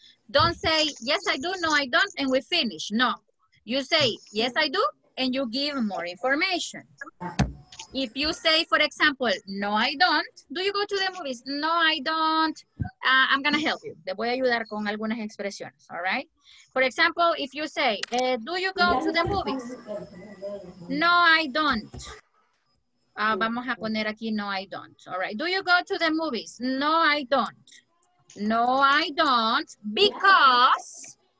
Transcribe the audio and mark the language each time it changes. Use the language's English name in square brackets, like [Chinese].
[English] Don't say yes, I do, no, I don't, and we finish. No, you say yes, I do, and you give more information. If you say, for example, no, I don't, do you go to the movies? No, I don't. I'm gonna help you. [Spanish] Te voy a ayudar con algunas expresiones, [English] all right? For example, if you say, do you go to the movies? No, I don't. [Spanish] Vamos a poner aquí, [English] no, I don't, all right? Do you go to the movies? No, I don't. No, I don't, because...